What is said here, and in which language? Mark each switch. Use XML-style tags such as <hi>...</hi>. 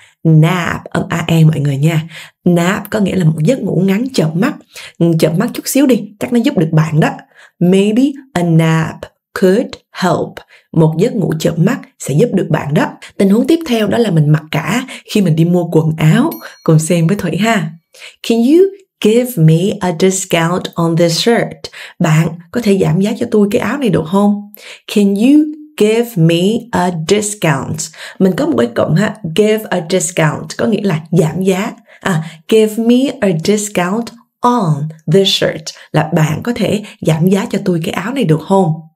<vi>Nap, âm AE mọi người nha. Nap có nghĩa là một giấc ngủ ngắn chợp mắt. Chợp mắt chút xíu đi, chắc nó giúp được bạn đó.</vi> <en>Maybe a nap could help.</en> <vi>Một giấc ngủ chợp mắt sẽ giúp được bạn đó. Tình huống tiếp theo đó là mình mặc cả khi mình đi mua quần áo. Cùng xem với Thủy ha.</vi> <en>Can you give me a discount on this shirt?</en> <vi>Bạn có thể giảm giá cho tôi cái áo này được không?</vi> <en>Can you give me a discount.</en> <vi>Mình có một cái cụm ha, give a discount có nghĩa là giảm giá. À,</vi> <en>give me a discount on the shirt</en> <vi>là bạn có thể giảm giá cho tôi cái áo này được không?</vi>